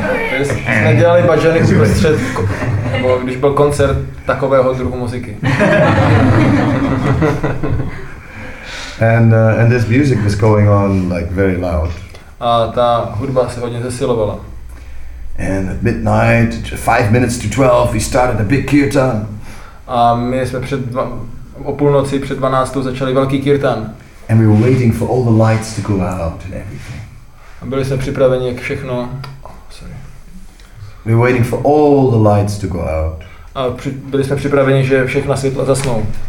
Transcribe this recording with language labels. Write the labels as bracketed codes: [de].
[cs] Takže nedělali bhajany uprostřed, nebo když byl koncert takového druhu muziky. [en] And this music was going on like very loud. [cs] A ta hudba se hodně zesilovala. [en] And at midnight, 11:55, we started a big kirtan. [cs] A my jsme před o půlnoci před 12 začali velký kirtan. [en] And we were waiting for all the lights to go out and everything. [cs] A byli jsme připraveni jak všechno. [en] We were waiting for all the lights to go out. [cs] A byli jsme připraveni, že všechna světla zasnou.